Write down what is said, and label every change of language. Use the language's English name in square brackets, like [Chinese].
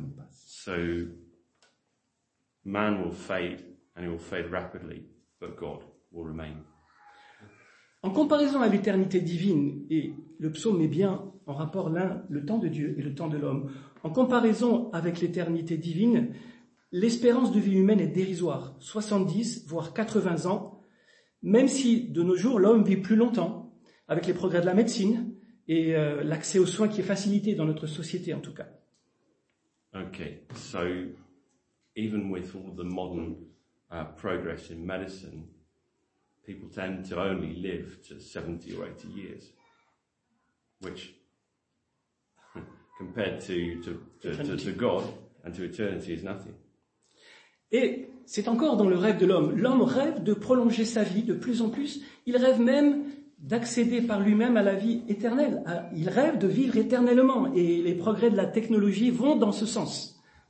[English] So man will fade, and he will fade rapidly, but God will remain. [French] En comparaison à l'éternité divine, et le psaume met bien en rapport le temps de Dieu et le temps de l'homme, en comparaison avec l'éternité divine, l'espérance de vie humaine est dérisoire, 70 voire 80 ans, même si de nos jours l'homme vit plus longtemps, avec les progrès de la médecine et l'accès aux soins qui est facilité dans notre société en tout cas. [English] Okay, so even with all the modern progress in medicine, people tend to only live to 70 or 80 years, which compared to God and to eternity is nothing. [French] Et c'est encore dans le rêve de l'homme. L'homme rêve de prolonger sa vie de plus en plus. Il rêve même d'accéder par lui-même à la vie éternelle. Il rêve de vivre éternellement. Et les progrès de la technologie vont dans ce sens.